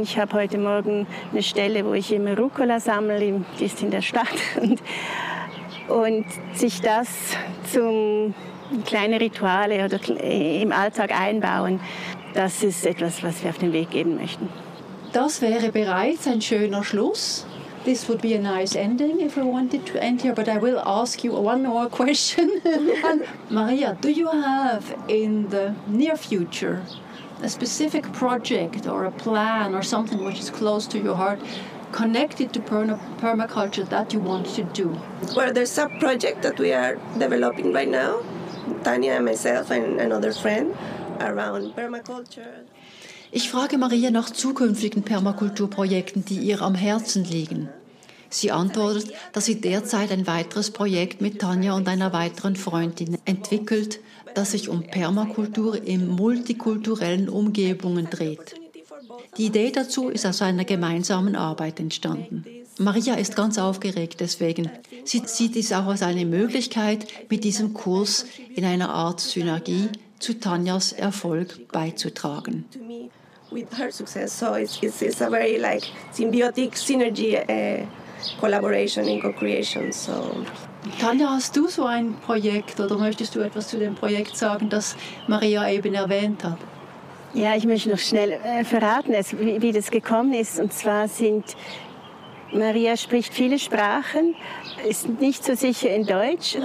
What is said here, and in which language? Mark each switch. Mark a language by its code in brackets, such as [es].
[de] Ich habe heute Morgen eine Stelle, wo ich immer Rucola sammle, die ist in der Stadt. Und sich das zum kleinen Rituale oder im Alltag einbauen, das ist etwas, was wir auf den Weg geben möchten. Das wäre bereits ein schöner Schluss. [en] This would be a nice ending if we wanted to end here, but I will ask you one more question. Maria, do you have in the near future a specific project or a plan or something which is close to your heart connected to permaculture that you want to do? Well, there's a project that we are developing right now, Tanya and myself and another friend, around permaculture. [de] Ich frage Maria nach zukünftigen Permakulturprojekten, die ihr am Herzen liegen. Sie antwortet, dass sie derzeit ein weiteres Projekt mit Tanja und einer weiteren Freundin entwickelt, das sich um Permakultur in multikulturellen Umgebungen dreht. Die Idee dazu ist aus einer gemeinsamen Arbeit entstanden. Maria ist ganz aufgeregt deswegen. Sie sieht es auch als eine Möglichkeit, mit diesem Kurs in einer Art Synergie zu Tanjas Erfolg beizutragen. [en] With her success, so it's a very like symbiotic synergy collaboration and co-creation. So, [de] Tanja, hast du so ein Projekt oder möchtest du etwas zu dem Projekt sagen, das Maria eben erwähnt hat? Ja, ich möchte noch schnell verraten, wie das gekommen ist. Und zwar Maria spricht viele Sprachen, ist nicht so sicher in Deutsch.